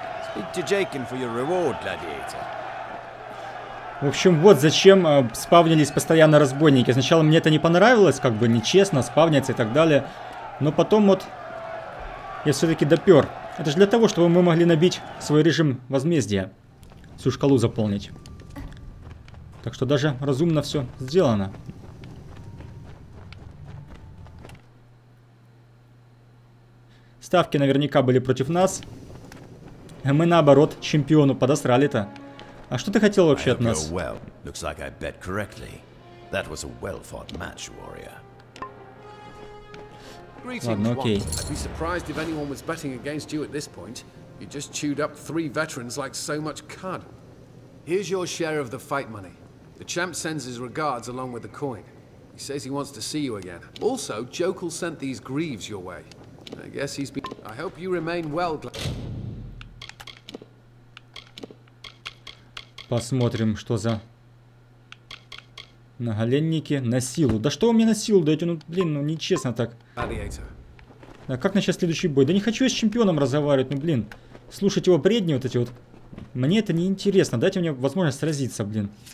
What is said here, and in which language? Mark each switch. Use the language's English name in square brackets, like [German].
[English] Speak to Jaqen for your reward, gladiator. [Russian] В общем, вот зачем спавнились постоянно разбойники. Сначала мне это не понравилось, как бы нечестно спавняться и так далее. Но потом вот я все-таки допер. Это же для того, чтобы мы могли набить свой режим возмездия. Всю шкалу заполнить. Так что даже разумно все сделано. Ставки наверняка были против нас. А мы наоборот чемпиону подосрали-то. А что ты хотел вообще от нас? [English] Looks like I bet correctly. That was a well-fought match, warrior. [Russian] Ладно, окей. [English] I'd be surprised if anyone was betting against you at this point. You just chewed up three veterans like so much cud. Here's your share of the fight money. The champ sends his regards along with the coin. He says he wants to see you again. Also, Jokel sent these greaves your way. I guess he's been... I hope you remain well, Glad. [Russian] Посмотрим, что за наголенники на силу. Да что вы мне на силу даете? Ну, блин, ну нечестно так. А как начать следующий бой? Да не хочу я с чемпионом разговаривать, ну блин. Слушать его бредни вот эти вот. Мне это неинтересно. Дайте мне возможность сразиться, блин.